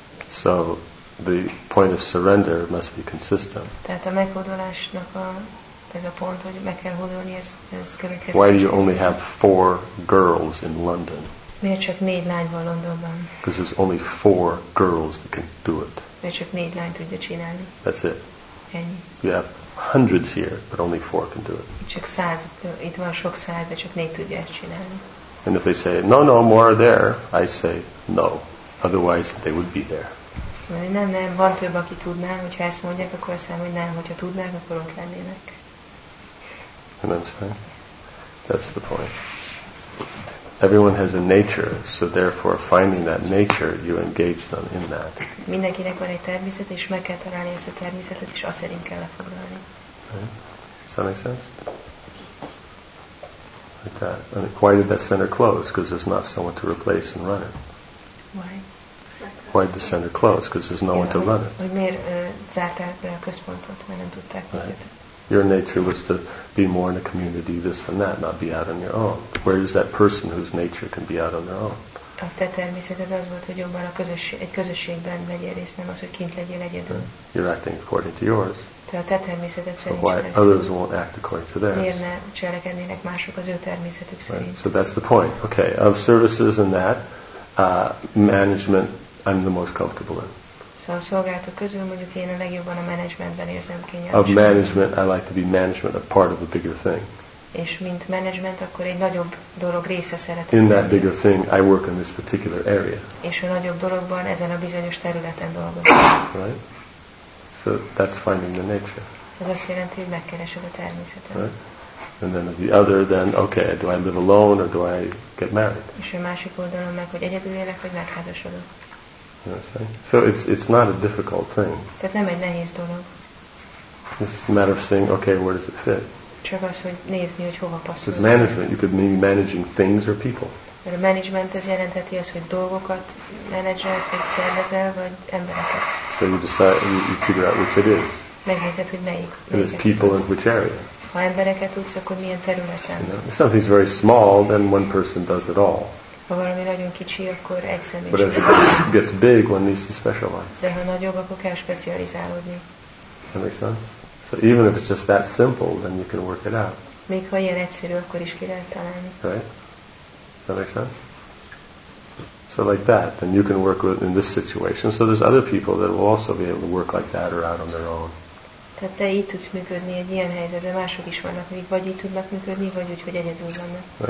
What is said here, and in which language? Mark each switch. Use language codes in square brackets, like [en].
[en] So, the point of surrender must be consistent. [hu] Tehát a meghódolásnak a ez a pont, hogy meg kell hozolni ez, ez következő. [en] Why do you only have four girls in London? [hu] Miért csak négy lány van Londonban? [en] Because there's only four girls that can do it. [hu] Miért csak négy lány tudja csinálni? [en] That's it. [hu] Ennyi. [en] You have hundreds here, but only four can do it. [hu] Csak száz, itt van sok száz, de csak négy tudja ezt csinálni. [en] And if they say, no, no, more are there, I say, no. Otherwise, they would be there. [hu] Nem, nem, van több, aki tudná, hogyha ezt mondják, akkor azt mondják, hogy nem, hogyha tudnák, akkor ott lennének. [en] And I'm saying, that's the point. Everyone has a nature, so therefore, finding that nature, you engage them in that. [hu] Mindenkinek van egy természet, és meg kell találni ezt a természetet, és azt szerint kell lefoglalni. [en] Does that make sense? Like that. And why did that center close? Because there's not someone to replace and run it. Why? Why did the center close? Because there's no one to run it. [hu] Hogy miért zárták be a központot, mert nem tudták miket. [en] Your nature was to be more in a community, this and that, not be out on your own. Where is that person whose nature can be out on their own? [hu] A te természeted az volt, hogy jobban a közösség, egy közösségben legyél, és nem az, hogy kint legyél egyedül. [en] Okay. You're acting according to yours. [hu] Te a te természeted szerint. [en] So why others won't act according to theirs? [hu] Miért ne cselekednének mások az ő természetük szerint? [en] Right. So that's the point. Okay, of services and that, management, I'm the most comfortable in. [hu] So a szolgálatok közül mondjuk én a legjobban a managementben érzem kényelmesen. [en] Of management, I like to be management, a part of a bigger thing. [hu] És mint management, akkor egy nagyobb dolog része szeretem. [en] In that bigger thing, I work in this particular area. [hu] És a nagyobb dologban, ezen a bizonyos területen dolgozom. [en] Right? So that's finding the nature. [hu] Ez azt jelenti, hogy megkeresed a természetet. [en] Right? And then the other, then, okay, do I live alone or do I get married? [hu] És a másik oldalon meg, hogy egyedül élek, vagy megházasodok. [en] So it's not a difficult thing. [hu] Tehát nem egy nehéz dolog. [en] It's a matter of saying, okay, where does it fit? [hu] Csak az, hogy nézni, hogy hova passzol. [en] Because management, you could be managing things or people. [hu] Mert a management az jelenteti az, hogy dolgokat menedzselsz, vagy szervezel, vagy embereket. [en] So you decide, you figure out which it is. [hu] Megnézed, hogy melyik. [en] It is people in which area. [hu] Ha embereket tudsz, akkor milyen területen. [en] You know, if something's very small, then one person does it all. [hu] Ha valami nagyon kicsi, akkor egy személy. [en] But as it gets big, one needs to specialize. [hu] De ha nagyobb, akkor kell specializálódni. [en] That makes sense? So even if it's just that simple, then you can work it out. [hu] Még ha ilyen egyszerű, akkor is ki lehet találni. [en] Right? Does that make sense? So like that, then you can work with in this situation. So there's other people that will also be able to work like that or out on their own. [hu] Tehát te így tudsz működni egy ilyen helyzetben, mások is vannak, akik vagy így tudnak működni, vagy úgy, hogy egyedül vannak.